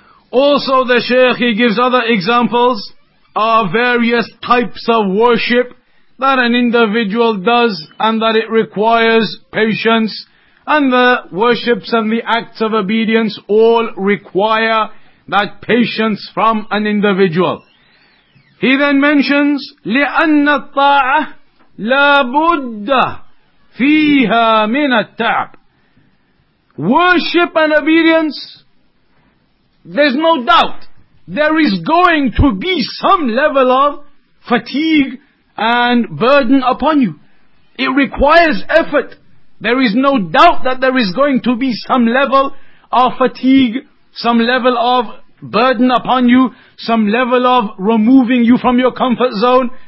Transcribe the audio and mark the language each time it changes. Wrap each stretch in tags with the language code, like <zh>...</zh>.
<en>Also the Shaykh, he gives other examples of various types of worship that an individual does and that it requires patience. And the worships and the acts of obedience all require that patience from an individual. He then mentions,</en> <ar>لِأَنَّ الطَّاعَةَ لَابُدَّ فِيهَا مِنَ التَّعْبِ.</ar> <en>Worship and obedience, there's no doubt, there is going to be some level of fatigue and burden upon you. It requires effort. There is no doubt that there is going to be some level of fatigue, some level of burden upon you, some level of removing you from your comfort zone.</en>